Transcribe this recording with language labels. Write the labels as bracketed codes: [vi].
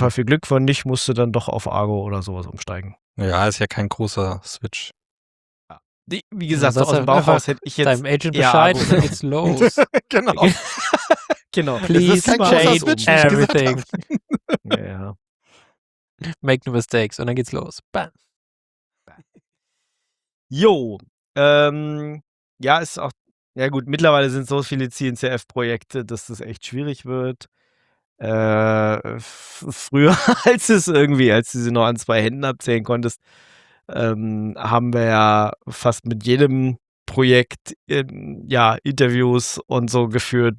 [de] Fall viel Glück, wenn nicht, musst du dann doch auf Argo oder sowas umsteigen. Ja, ist ja kein großer Switch. Ja. Die, wie gesagt, also, aus dem Bauch raus hätte ich jetzt... Deinem Agent Bescheid, ja, dann geht's los. Genau. Genau. [en] Please change everything. [de] Ja. [en] Make no mistakes [de] und dann geht's los. Bam. Jo. Ja, ist auch... Ja gut, mittlerweile sind so viele CNCF-Projekte, dass das echt schwierig wird. Früher, als es irgendwie, als du sie noch an zwei Händen abzählen konntest, haben wir ja fast mit jedem Projekt Interviews und so geführt.